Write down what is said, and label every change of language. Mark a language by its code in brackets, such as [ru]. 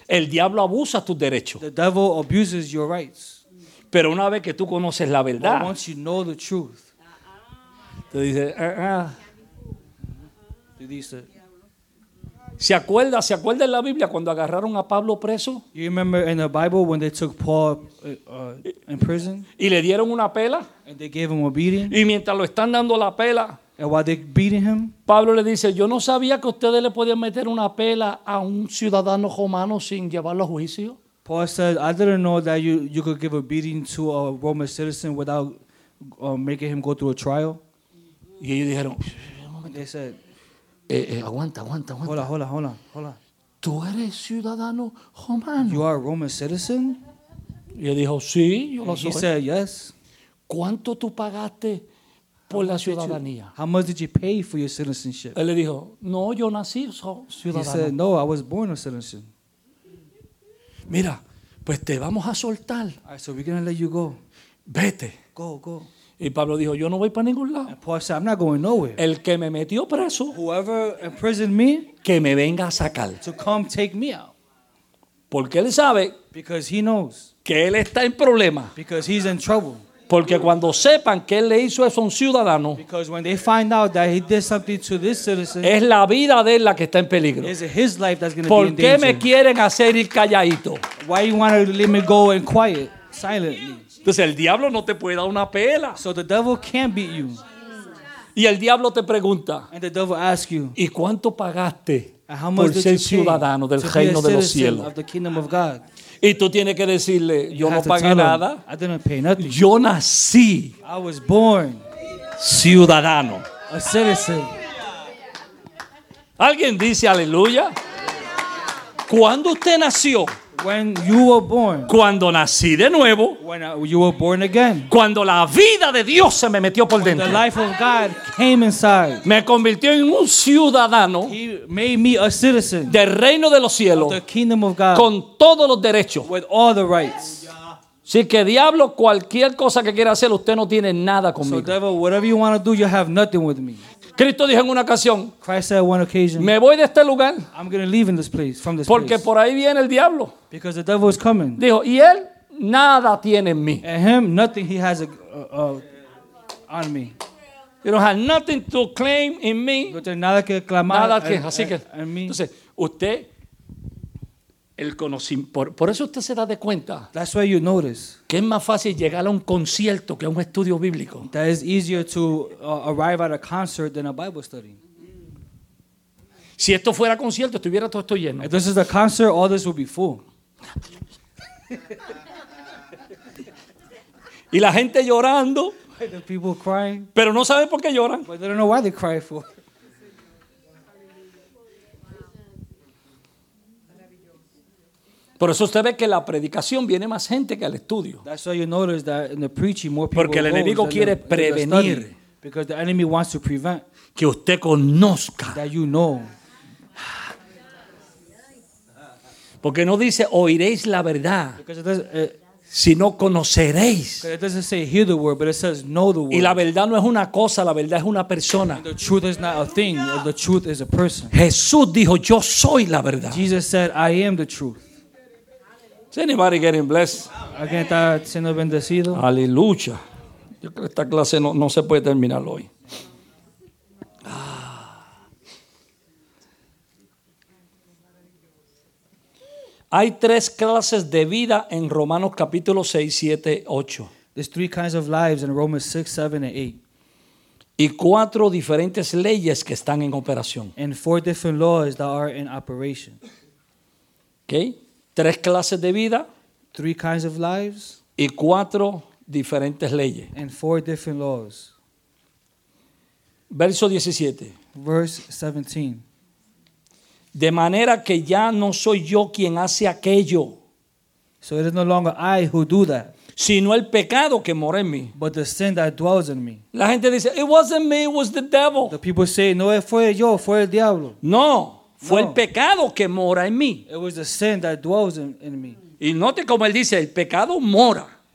[es] El diablo abusa tus derechos. [en] The devil abuses your rights. [es] Pero una vez que tú conoces la verdad. [en] But once you know the truth. [es] Te dice. Dice, ¿Se acuerda en la Biblia cuando agarraron a Pablo preso? [en] You remember in the Bible when they took Paul in prison? [es] Y le dieron una pela. [en] And they gave him a beating. [es] Y mientras lo están dando la pela, [en] and while they beating him, [es] Pablo le dice, yo no sabía que ustedes le podían meter una pela a un ciudadano romano sin llevarlo a juicio. [en] Paul said, I didn't know that you could give a beating to a Roman citizen without making him go through a trial. [es] Y ellos dijeron, [en] they said, [es] Aguanta. Hola. ¿Tú eres ciudadano romano? [en] You are a Roman citizen? [es] Y él dijo, sí, yo lo soy. [en] He said, yes. [es] ¿Cuánto tú pagaste por la ciudadanía? [en] How much did you pay for your citizenship? [es] Él le dijo, no, yo nací ciudadano. [en] He said, no, I was born a citizen. [es] Mira, pues te vamos a soltar. All [en] right, so we're going to let you go. [es] Vete. [en] Go. [es] Y Pablo dijo, yo no voy para ningún lado. [en] And Paul said, I'm not going nowhere. [es] El que me metió preso, [en] whoever imprisoned me, [es] que me venga a sacar. [en] To come take me out. [es] Porque él sabe, [en] because he knows, [es] que él está en problema. [en] Because he's in trouble. [es] Porque cuando sepan que él le hizo eso a un ciudadano, [en] because when they find out that he did something to this citizen, [es] es la vida de él la que está en peligro. [en] Is it his life that's gonna [es] ¿Por [en] be in [es] qué [en] danger? [es] Me quieren hacer ir calladito? [en] Why you want to let me go in quiet, silently? [es] Entonces el diablo no te puede dar una pela. [en] So the devil can't beat you. [es] Y el diablo te pregunta. [en] And the devil asks you. [es] ¿Y cuánto pagaste por ser ciudadano del reino de los cielos? [en] Of the kingdom of God. [es] Y tú tienes que decirle, yo no pagué nada. [en] I didn't pay nothing. [es] Yo nací. [en] I was born. [es] Ciudadano. [en] A citizen. [es] ¿Alguien dice aleluya? ¿Cuándo usted nació? [en] When you were born. [es] Cuando nací de nuevo. [en] When you were born again. [es] Cuando la vida de Dios se me metió por dentro. [en] The life of God came inside. [es] Me convirtió en un ciudadano. [en] He made me a citizen. [es] Del reino de los cielos. [en] The kingdom of God. [es] Con todos los derechos. [en] With all the rights. [es] Así que diablo, cualquier cosa que quiera hacer, usted no tiene nada conmigo. [en] So devil, whatever you want to do, you have nothing with me. [es] Cristo dijo en una ocasión, [en] Christ said one occasion, [es] me voy de este lugar, [en] I'm going to leave in this place, from this [es] porque [en] place. [es] Por ahí viene el diablo. [en] Because the devil is coming. [es] Dijo, y él nada tiene en mí. [en] And him, nothing he has on me. You don't have nothing to claim in me. [es] No tiene nada que clamar nada que, así que, en mí. Entonces, usted... El conocimiento. Por eso usted se da de cuenta. [en] That's why you notice. [es] Que es más fácil llegar a un concierto que a un estudio bíblico. [en] That is easier to arrive at a concert than a Bible study. [es] Si esto fuera concierto, estuviera todo esto lleno. [en] If this is a concert, all this would be full. [es] Y la gente llorando. [en] The people crying. [es] Pero no saben por qué lloran. [en] But they don't know why they cry for. [es] Por eso usted ve que la predicación viene más gente que al estudio. [en] That's why you notice that in the preaching more people. [es] Porque el enemigo quiere prevenir. [en] Because the enemy wants to prevent. [es] Que usted conozca. [en] That you know. [es] Porque no dice oiréis la verdad. [en] Because it [es] sino conoceréis. [en] It doesn't say hear the word, but it says know the word. [es] Y la verdad no es una cosa, la verdad es una persona. [en] And the truth is not a thing, the truth is a person. [es] Jesús dijo yo soy la verdad. [en] Jesus said I am the truth. Is anybody getting blessed? [es] ¿Alguien está siendo bendecido? Aleluya. Yo creo que esta clase no se puede terminar hoy. Hay tres clases de vida en Romanos capítulo 6, 7, 8. [en] There's three kinds of lives in Romans 6, 7, and 8. [es] Y cuatro diferentes leyes que están en operación. [en] And four different laws that are in operation. [es] Okay. Tres clases de vida. [en] Three kinds of lives. [es] Y cuatro diferentes leyes. [en] And four different laws. [es] Verso 17. [en] Verse 17. [es] De manera que ya no soy yo quien hace aquello. [en] So it is no longer I who do that. [es] Sino el pecado que mora en mí. [en] But the sin that dwells in me. [es] La gente dice, [en] it wasn't me, it was the devil. The people say, [es] no fue yo, fue el diablo. No. Fue no. El pecado que mora en mí. [en] It was the sin that dwells in me. [es] Y note como él dice, el pecado mora.